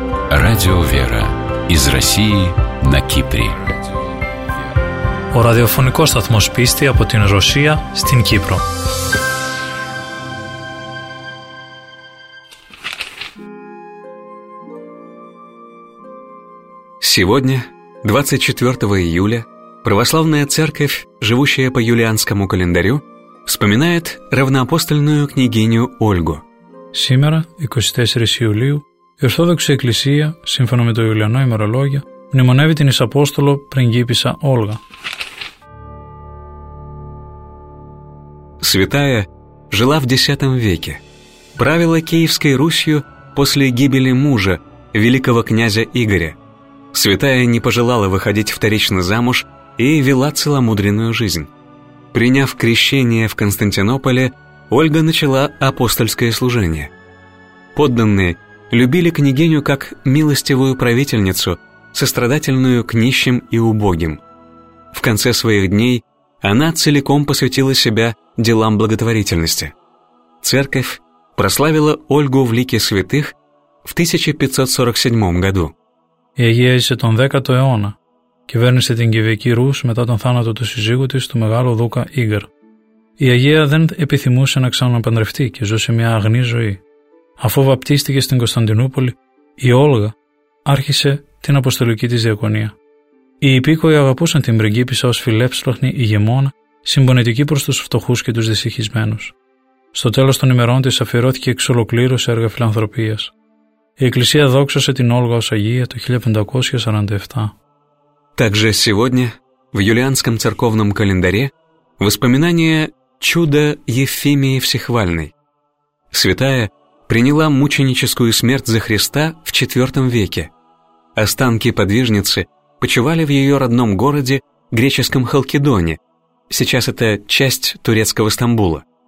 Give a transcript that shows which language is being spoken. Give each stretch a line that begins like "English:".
Russian: Радио «Вера» из России на Кипре.
Greek: Ο ραδιοφωνικός σταθμός πίστη από την Ρωσία στην Κύπρο.
Russian: Сегодня, 24 июля, Православная Церковь, живущая по юлианскому календарю, вспоминает равноапостольную княгиню Ольгу. Сегодня, 24 июля,
Greek: Ορθόδοξη Εκκλησία, σύμφωνα με το Ιουλιανό ημερολόγιο, μνημονεύει την Ισαπόστολο πριγκίπισσα Όλγα.
Russian: Святая жила в X веке. Правила Киевской Русью после гибели мужа, великого князя Игоря. Святая не пожелала выходить вторично замуж и вела целомудренную жизнь. Приняв крещение в Константинополе, Ольга начала апостольское служение. Подданные любили княгиню как милостивую правительницу, сострадательную к нищим и убогим. В конце своих дней она целиком посвятила себя делам благотворительности. Церковь прославила Ольгу в лике святых в 1547 году.
Greek: Η Αγία έζησε τον 10ο αιώνα. Κυβέρνησε την Κυβική Ρούς μετά τον θάνατο του σύζυγου της, του μεγάλου Δούκα Ίγκαρ. Η Αγία δεν επιθυμούσε να ξαναπαντρευτεί και ζούσε μια αγνή ζωή. Αφού βαπτίστηκε στην Κωνσταντινούπολη, η Όλγα άρχισε την αποστολική της διακονία. Οι υπήκοοι αγαπούσαν την πριγκίπισσα ως φιλέψλοχνη ηγεμόνα, συμπονετική προς τους φτωχούς και τους δυστυχισμένους. Στο τέλος των ημερών της αφιερώθηκε εξ ολοκλήρου σε έργα φιλανθρωπίας. Η Εκκλησία δόξασε την Όλγα ως Αγία το 1547.
Russian: Также сегодня в юлианском церковном календаре воспоминание чуда Ефимии Всехвальной. Святая приняла мученическую смерть за Христа в IV веке. Останки подвижницы почивали в ее родном городе, греческом Халкидоне, сейчас это часть турецкого Стамбула.